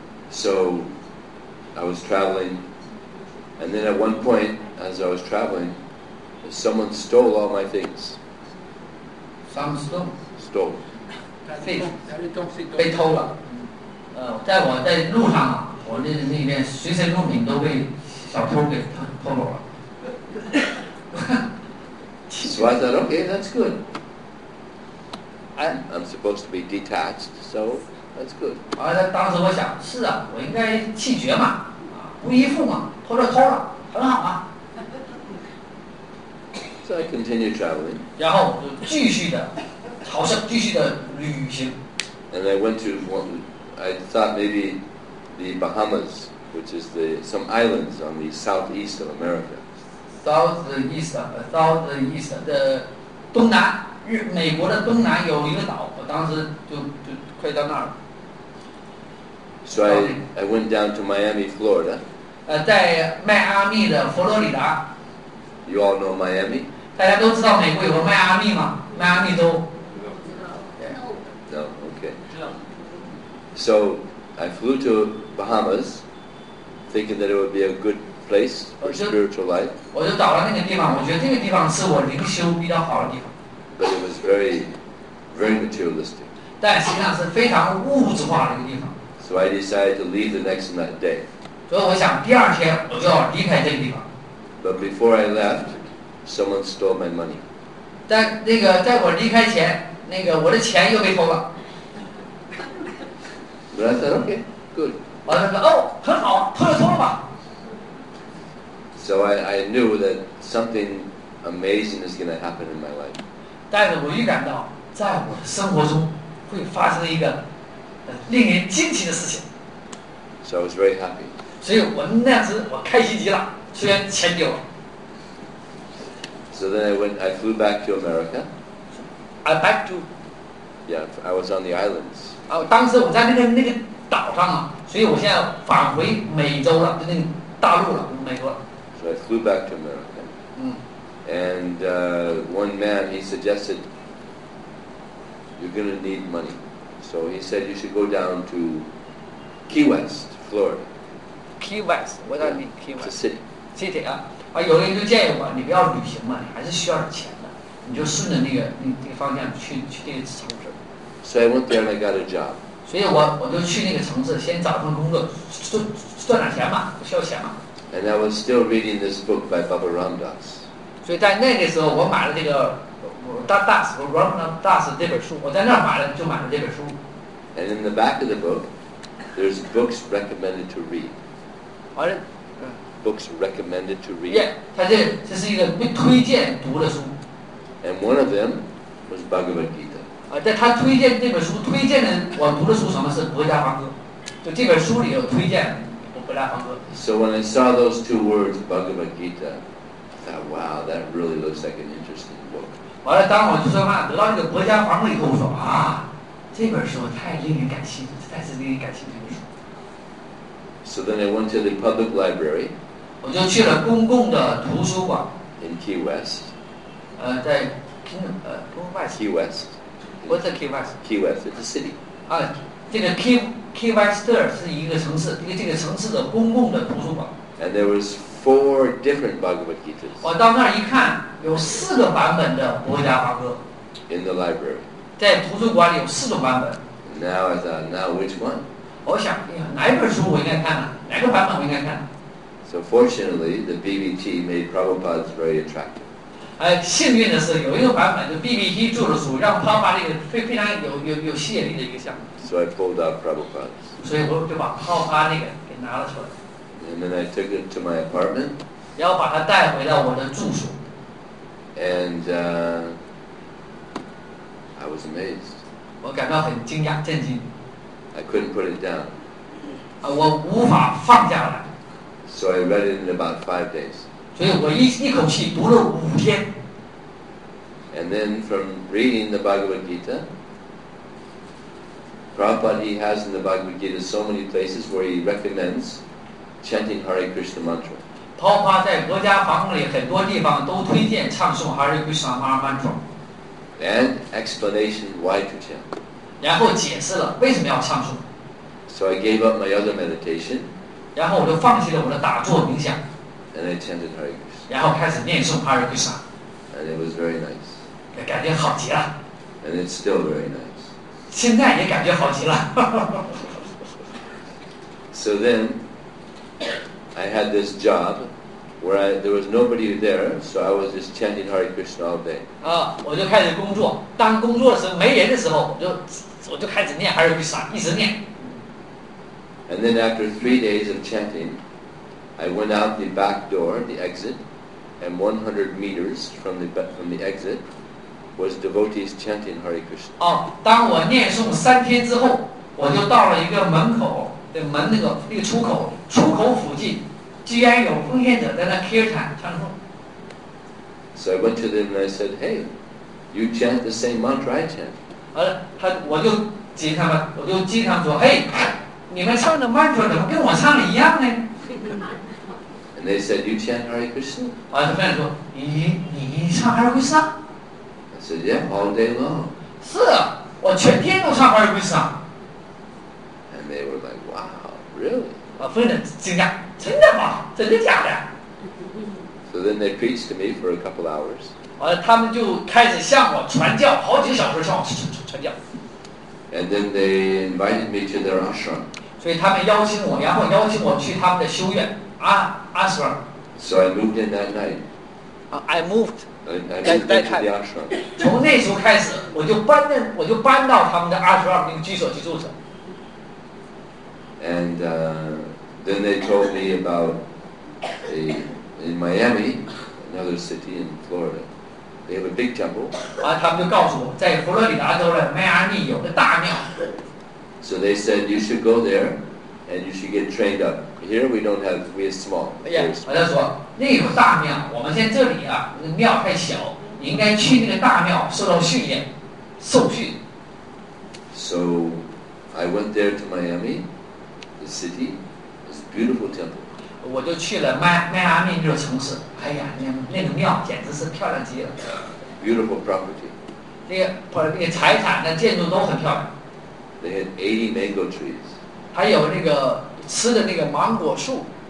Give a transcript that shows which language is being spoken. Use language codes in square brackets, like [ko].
[en] So I was traveling and then at one point as I was traveling someone stole all my things Some stole? Stole [zh] things 被偷了在我在路上啊我那那边随身物品都被小偷给偷走了。 [en] So I thought, okay, that's good. I'm supposed to be detached, so that's good. [zh] 当时我想，是啊，我应该气绝嘛，不依附嘛，偷了偷了，很好啊。 [en] So I continued traveling. [zh] 然后就继续的朝圣，继续的旅行。 [en] And I went to one, I thought maybe. The Bahamas, which is some islands on the southeast of America. [zh] Southeast, 的东南，美国的东南有一个岛，我当时就快到那儿了。 [en] So I went down to Miami, Florida. [zh] 在迈阿密的佛罗里达。 [en] You all know Miami? [zh] 大家都知道美国有个迈阿密吗？迈阿密州。 [en] No. No. Okay. So. I flew to Bahamas, thinking that it would be a good place for spiritual life. [zh] 我就到了那个地方，我觉得这个地方是我灵修比较好的地方。 [en] But it was very, very materialistic. [zh] 但实际上是非常物质化的一个地方。 [en] So I decided to leave the next day. [zh] 所以我想第二天我就要离开这个地方。 [en] But before I left, someone stole my money. [zh] 但那个在我离开前，那个我的钱又被偷了。 [en] But I said, okay, good. [zh] 我就说，哦，很好，偷就偷了吧。 [en] So I knew that something amazing is going to happen in my life. [zh] 但是我预感到，在我的生活中会发生一个令人惊奇的事情。 [en] So I was very happy. [zh] 所以我那时我开心极了，虽然钱丢了。 [en] So then I flew back to America. Yeah, I was on the islands. [zh] 当时我在那个岛上啊，所以我现在返回美洲了，就那个大陆了，美国了。 [en] So I flew back to America. And one man, he suggested, you're going to need money. So he said you should go down to Key West, Florida. Key West, what does that mean, Key West? It's a city. [zh] City, 有人就建议我，你不要旅行嘛，你还是需要钱的，你就顺着那个方向去那个城市。 [en] So I went there and I got a job. [zh] 所以我就去那个城市先找份工作，赚点钱嘛，不需要钱嘛。 [en] And I was still reading this book by Baba Ramdas. [zh] 所以在那个时候，我买了这个Ramdas 这本书，我在那儿买了这本书。 [en] And in the back of the book, there's books recommended to read. [zh] 好的。 [en] Books recommended to read. [zh] Yeah, 这是一个被推荐读的书。 [en] And one of them was Bhagavad Gita. [zh] 在他推荐这本书推荐的我读的书什么是《薄伽梵歌》就这本书里有推荐《薄伽梵歌》 [en] So when I saw those two words Bhagavad Gita I thought wow that really looks like an interesting book [zh] 完了当我就说嘛得到这个《薄伽梵歌》以后我说啊这本书太令人感兴趣，太是令人感兴趣的书。 [en] So then I went to the public library. [zh] 我就去了公共的图书馆。 [en] In Key West. [zh] 在 Kingdom, [en] Key West. What's the Key West? Key West, it's a city. [zh] 这个 Key West 是一个城市，这个城市的公共的图书馆。 [en] And there was four different Bhagavad Gitas. [zh] 我到那儿一看，有四个版本的《博伽华歌》。 [en] In the library. [zh] 在图书馆里有四种版本。 [en] Now I thought, now which one? [zh] 我想，哪一本书我应该看呢？哪个版本我应该看？ [en] So fortunately, the BBT made Prabhupada's very attractive. [zh] 幸运的是，有一个版本的 BBT 做的书，让帕巴这个非常有吸引力的一个项目。 [en] So I pulled out Prabhupada. [zh] 所以我就把帕巴那个给拿了出来。 [en] And then I took it to my apartment. [zh] 然后把它带回到我的住所。 [en] And I was amazed. [zh] 我感到很惊讶，震惊。 [en] I couldn't put it down. [zh] 我无法放下来。 [en] So I read it in about 5 days. [zh] 所以我一口气读了五天。 [en] And then from reading the Bhagavad Gita, Prabhupada he has in the Bhagavad Gita so many places where he recommends chanting Hare Krishna mantra. [zh] 包括在国家房里很多地方都推荐唱诵 Hare Krishna mantra. [en] And explanation why to chant. [zh] 然后解释了为什么要唱诵。 [en] So I gave up my other meditation. [zh] 然后我就放弃了我的打坐冥想。 [en] And I chanted Hare Krishna. [zh] 然后开始念诵 Hare Krishna. [en] And it was very nice. [zh] 感觉好极了。 [en] And it's still very nice. [zh] 现在也感觉好极了。 [en] So then, I had this job where there was nobody there, so I was just chanting Hare Krishna all day. [zh] 我就开始工作。当工作的时候没人的时候，我就开始念 Hare Krishna， 一直念。 [en] And then after 3 days of chanting, I went out the back door, the exit, and 100 meters from the exit was devotees chanting Hare Krishna. [zh] 当我念诵三天之后，我就到了一个门口的门那个出口附近，居然有奉献者在那 Kirtan 唱诵。 [en] So I went to them and I said, "Hey, you chant the same mantra I chant." [zh] 我就经常说 "Hey." 你们唱的曼陀怎么跟我唱的一样呢？ [en] And they said, you chant Hare Krishna? [zh] 我的朋友说，你唱 Hare Krishna? [en] I said, yeah, all day long. [zh] 是，我全天都唱 Hare Krishna. [en] And they were like, wow, really? [zh] 我非常惊讶，真的吗？真的假的？ [en] So then they preached to me for a couple hours. [zh] 他们就开始向我传教，好几个小时向我传教。 [en] And then they invited me to their ashram. [zh] 所以他们邀请我，然后邀请我去他们的修院ashram. [en] So I moved in that night. I moved. I moved to the ashram. [zh] 从那时候开始，我就搬到他们的 ashram 那个居所去住着。 [en] And then they told me about in Miami, another city in Florida. They have a big temple. [zh] 他们就告诉我，在佛罗里达州的迈阿密有个大庙。 [en] So they said you should go there, and you should get trained up. Here we don't have, we are small. [zh] 他说那有大庙，我们在这里啊，那个庙太小，你应该去那个大庙受到训练，受训。 [en] So I went there to Miami, the city, it's a beautiful temple. [zh] 我就去了迈阿密这个城市。哎呀，那个庙简直是漂亮极了。 [en] Beautiful property. [zh] 那个财产的建筑都很漂亮。 [en] They had 80 mango trees. [zh] 还有那个吃的那个芒果树。